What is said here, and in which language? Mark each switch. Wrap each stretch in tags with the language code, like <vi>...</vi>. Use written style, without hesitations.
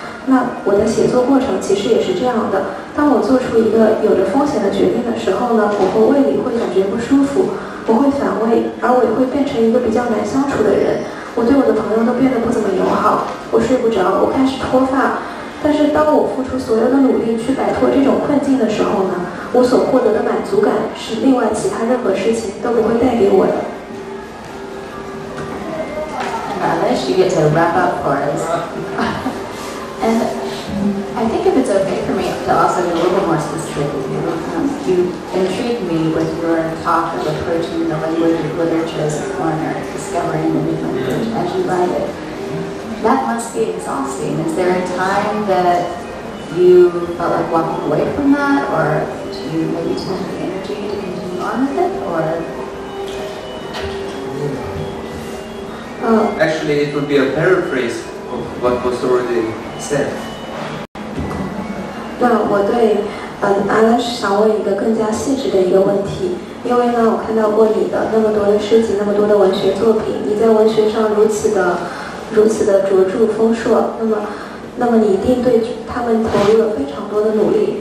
<zh>那我的写作过程其实也是这样的，当我做出一个有着风险的决定的时候呢，我和胃里会感觉不舒服，我会反胃，而我也会变成一个比较难相处的人，我对我的朋友都变得不怎么友好，我睡不着，我开始脱发。但是当我付出所有的努力去摆脱这种困境的时候呢，我所获得的满足感是另外其他任何事情都不会带给我的。</zh> <en>Aleš, you get to wrap up for us. And I think if it's okay for me to also be a little more specific with you, you intrigued me with your talk of approaching the language of literature as a foreigner, discovering the new language as you write it. That must be exhausting. Is there a time that you felt like walking away from that, or do you maybe take the energy to continue on with it, or? Actually, it would be a paraphrase of what was already said. Well,</en> <zh>我对 Aleš 想问一个更加细致的一个问题，因为呢，我看到过你的那么多的诗集，那么多的文学作品，你在文学上如此的卓著丰硕，那么你一定对他们投入了非常多的努力。</zh>